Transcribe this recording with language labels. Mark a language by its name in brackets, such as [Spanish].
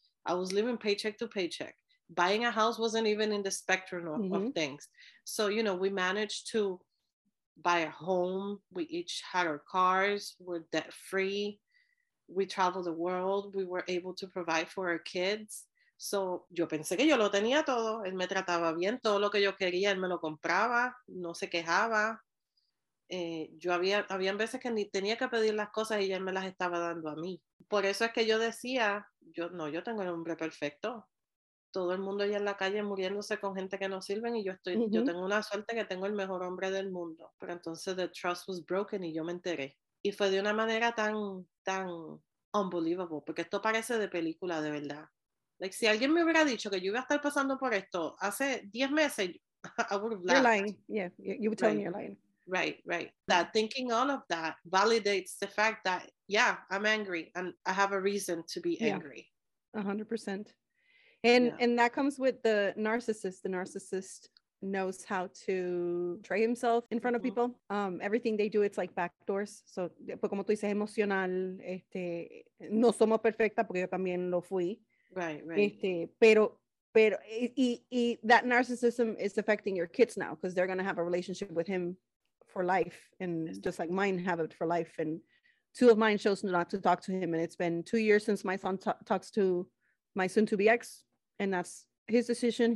[English] I was living paycheck to paycheck. Buying a house wasn't even in the spectrum of, mm-hmm. of things. So, you know, we managed to buy a home. We each had our cars. We're debt free. We traveled the world. We were able to provide for our kids. [Spanish] So yo pensé que yo lo tenía todo. Él me trataba bien. Todo lo que yo quería, él me lo compraba. No se quejaba. Yo había veces que ni tenía que pedir las cosas y él me las estaba dando a mí. Por eso es que yo decía, yo tengo el hombre perfecto. Todo el mundo allá en la calle muriéndose con gente que no sirven y yo estoy, mm-hmm. yo tengo una suerte que tengo el mejor hombre del mundo. Pero entonces [English] the trust was broken [Spanish] y yo me enteré. Y fue de una manera tan, tan unbelievable, porque esto parece de película de verdad. Like, si alguien me hubiera dicho que yo iba a estar pasando por esto hace 10 meses, [English] I would have laughed. You're lying, yeah, you were telling me you're lying. Right, right. That thinking all of that validates the fact that, yeah, I'm angry and I have a reason to be angry. Yeah. 100%. And yeah. And that comes with the narcissist. The narcissist knows how to portray himself in front of mm-hmm. people. Everything they do, it's like backdoors. [Spanish] So, pues como tú dices, emocional, no somos perfectas porque yo también lo fui. [English] Right, right. Pero y that narcissism is affecting your kids now because they're going to have a relationship with him for life. And yes. just like mine have it for life. And two of mine chose not to talk to him. And it's been 2 years since my son talks to my soon-to-be ex, and that's his decision.